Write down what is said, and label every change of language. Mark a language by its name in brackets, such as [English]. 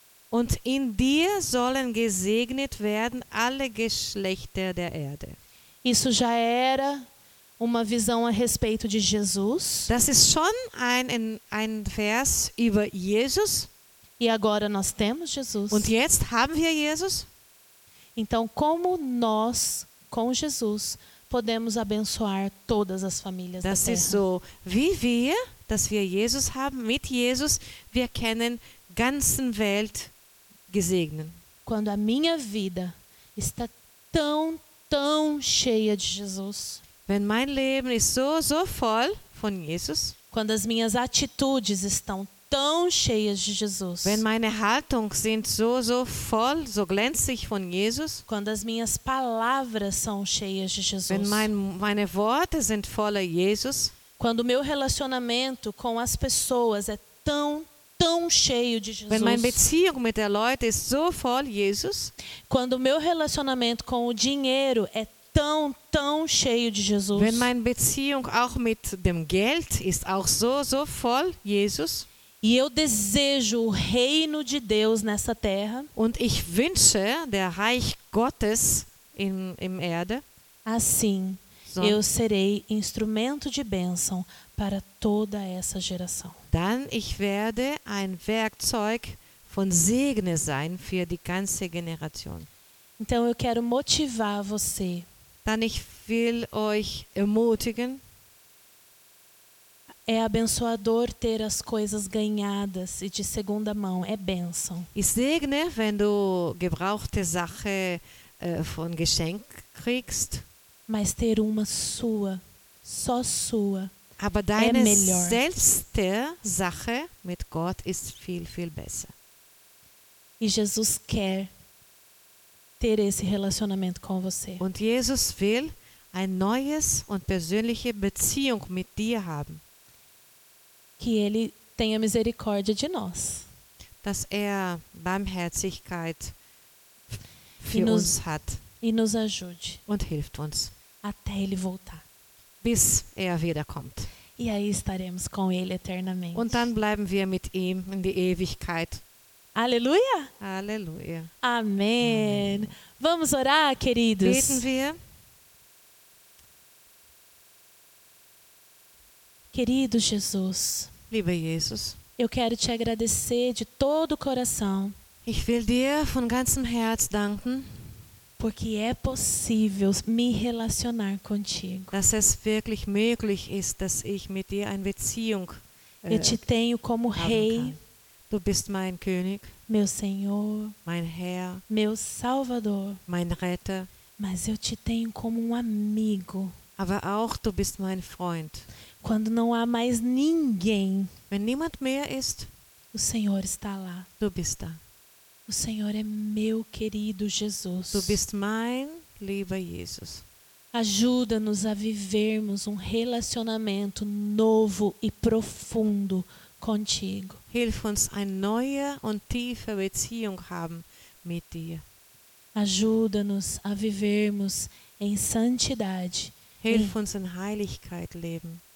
[German] Und in dir sollen gesegnet werden alle Geschlechter der Erde. [Portuguese] Isso já era uma visão a respeito de Jesus. [German] Das ist schon ein Vers über Jesus. [Portuguese] E agora nós temos Jesus. [German] Und jetzt haben wir Jesus. [Portuguese] Então como nós com Jesus podemos abençoar todas as famílias [German] das [Portuguese] da Terra? [German] Das ist so, wie wir, dass wir Jesus haben, mit Jesus wir können ganzen Welt gesegnen. [Portuguese] quando a minha vida está tão, tão cheia de Jesus. [German] Wenn mein Leben ist so, so voll von Jesus. [Portuguese] Quando as minhas atitudes estão tão cheias de Jesus. [German] Wenn meine Haltung sind so, so voll, so glänzig von Jesus. [Portuguese] Quando as minhas palavras são cheias de Jesus. [German] Wenn meine Worte sind voller Jesus. [Portuguese] Quando o meu relacionamento com as pessoas é tão, tão cheio de Jesus. [German] Wenn meine Beziehung mit den Leuten ist so voll Jesus. [Portuguese] Quando o meu relacionamento com o dinheiro é tão, tão cheio de Jesus. [German] Wenn meine Beziehung auch mit dem Geld ist auch so, so voll Jesus. [Portuguese] E eu desejo o reino de Deus nessa terra. [German] Und ich wünsche der Reich Gottes in Erde. [Portuguese] Assim, so. Eu serei instrumento de bênção para toda essa geração. [German] Dann ich werde ein Werkzeug von Segen sein für die ganze Generation. [Portuguese] Então eu quero motivar você. [German] Dann ich will euch ermutigen. [Portuguese] É abençoador ter as coisas ganhadas e de segunda mão. É bênção. [German] Ich segne, wenn du gebrauchte Sache von Geschenk kriegst. [Portuguese] Mas ter uma sua, só sua, [German] aber deine [Portuguese] é melhor. [German] Selbste Sache mit Gott ist viel, viel besser. [Portuguese] E Jesus quer ter esse relacionamento com você. [German] Und Jesus will ein neues und persönliche Beziehung mit dir haben. [Portuguese] Que ele tenha misericórdia de nós. [German] Dass er Barmherzigkeit für uns hat. [Portuguese] E nos ajude. [German] Und hilft uns. [Portuguese] Até ele voltar. [German] Bis er wiederkommt. [Portuguese] E aí estaremos com ele eternamente. [German] Und dann bleiben wir mit ihm in die Ewigkeit. [Portuguese] Aleluia! Aleluia! Amém! Vamos orar, queridos? [German] Beten wir. [Portuguese] Querido Jesus, [German] lieber Jesus, [Portuguese] eu quero te agradecer de todo o coração. [German] Ich will dir von ganzem Herz danken, [Portuguese] porque é possível me relacionar contigo. [German] Dass es wirklich möglich ist, dass ich mit dir eine Beziehung [Portuguese] eu te tenho como rei. [German] Du bist mein König, [Portuguese] meu Senhor, [German] mein Herr, [Portuguese] meu Salvador, [German] mein Retter. [Portuguese] Mas eu te tenho como amigo. [German] Aber auch du bist mein Freund. [Portuguese] Quando não há mais ninguém, [German] wenn niemand mehr ist, [Portuguese] o Senhor está lá. [German] Du bist da. [Portuguese] O Senhor é meu querido Jesus. [German] Du bist mein lieber Jesus. [Portuguese] Ajuda-nos a vivermos relacionamento novo e profundo contigo. [German] Hilf uns eine neue und tiefe Beziehung haben mit dir. [Portuguese] Ajuda-nos a vivermos em santidade. [German] Hilf uns in Heiligkeit leben.